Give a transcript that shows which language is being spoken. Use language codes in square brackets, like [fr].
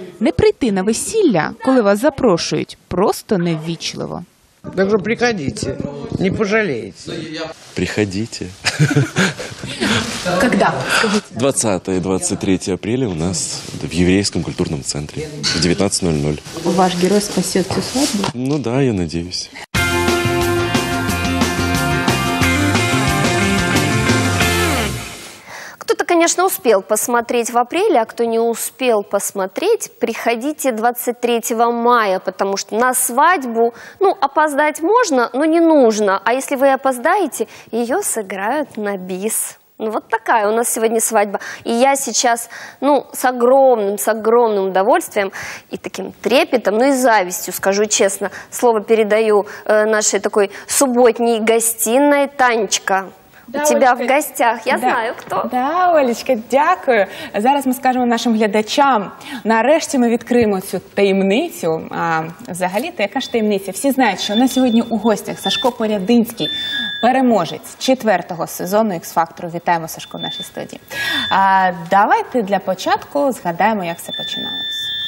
[uk] прийти на весілля, коли вас запрошують, просто неввічливо. Так що приходите, не пожалієте. Приходите. [ru] Когда? 20 и 23 апреля у нас в Еврейском культурном центре в 19:00. Ваш герой спасет всю свадьбу? Ну да, я надеюсь. Кто-то, конечно, успел посмотреть в апреле, а кто не успел посмотреть, приходите 23 мая, потому что на свадьбу, ну, опоздать можно, но не нужно. А если вы опоздаете, ее сыграют на бис. Ну, вот такая у нас сегодня свадьба. И я сейчас, ну, с огромным удовольствием и таким трепетом, ну, и завистью, скажу честно, слово передаю нашей такой субботней гостиной. Танечка, да, у тебя, Олечка, в гостях, я, да, знаю, кто. [uk] Да, Олечка, дякую. Зараз ми скажемо нашим глядачам, нарешті ми відкриємо цю таємницю. А взагалі-то, яка ж таємниця? Всі знають, що на сьогодні у гостях Сашко Порядинський, переможець 4-го сезону «Х-фактору». Вітаємо, Сашко, в нашій студії. А давайте для початку згадаємо, як все починалось.